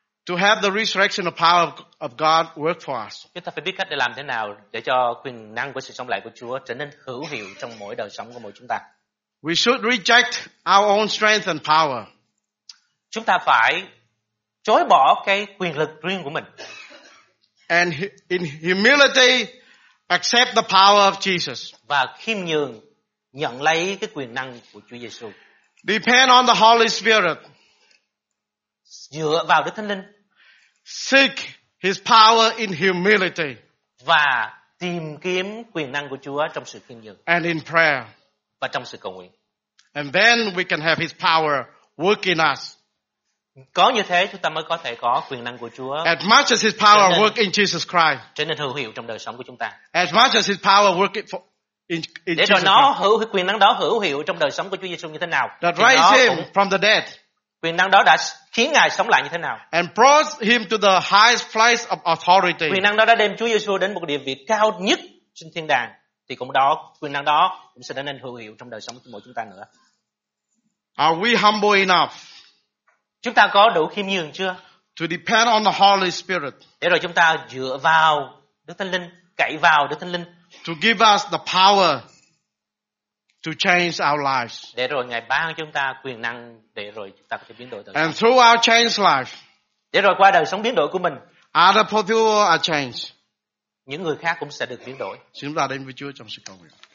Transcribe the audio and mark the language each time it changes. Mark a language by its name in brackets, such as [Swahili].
[English] to have the resurrection of power of God work for us. [Vietnamese] Chúng ta phải biết cách để làm thế nào để cho quyền năng của sự sống lại của Chúa trở nên hữu hiệu trong mỗi đời sống của mỗi chúng ta. [English] We should reject our own strength and power. [Vietnamese] Chúng ta phải chối bỏ cái quyền lực riêng của mình. [English] And in humility accept the power of Jesus. [Vietnamese] Và khiêm nhường nhận lấy cái quyền năng của Chúa Giêsu. [English] Depend on the Holy Spirit. [Vietnamese] Dựa vào Đức Thánh Linh. [English] Seek his power in humility. [Vietnamese] Và tìm kiếm quyền năng của Chúa trong sự khiêm nhường. [English] And in prayer. [Vietnamese] Và trong sự cầu nguyện. [English] And then we can have his power work in us. [Vietnamese] Có như thế chúng ta mới có thể có quyền năng của Chúa. [English] As much as his power work in Jesus Christ. [Vietnamese] Trở nên hữu hiệu trong đời sống của chúng ta. [English] As much as his power work it for in [Vietnamese] để rồi nó hữu hiệu, quyền năng đó hữu hiệu trong đời sống của Chúa Giêsu như thế nào? [English] That raised him from the dead. [Vietnamese] Quyền năng đó đã khiến Ngài sống lại như thế nào? [English] And brought him to the highest place of authority. [Vietnamese] Quyền năng đó đã đem Chúa Giêsu đến một địa vị cao nhất trên thiên đàng. Thì cũng đó, quyền năng đó cũng sẽ trở nên hữu hiệu trong đời sống của mỗi chúng ta nữa. [English] Are we humble enough? [Vietnamese] Chúng ta có đủ khiêm nhường chưa? [English] To depend on the Holy Spirit. [Vietnamese] Để rồi chúng ta dựa vào Đức Thánh Linh, cậy vào Đức Thánh Linh. [English] To give us the power to change our lives. [Vietnamese] Để rồi Ngài ban cho chúng ta quyền năng để rồi chúng ta có thể biến đổi đời sống. [English] And through our changed life. [Vietnamese] Để rồi qua đời sống biến đổi của mình. [English] Other people are changed. [Vietnamese] Những người khác cũng sẽ được biến đổi. Xin chúng ta đến với Chúa trong sự cầu nguyện.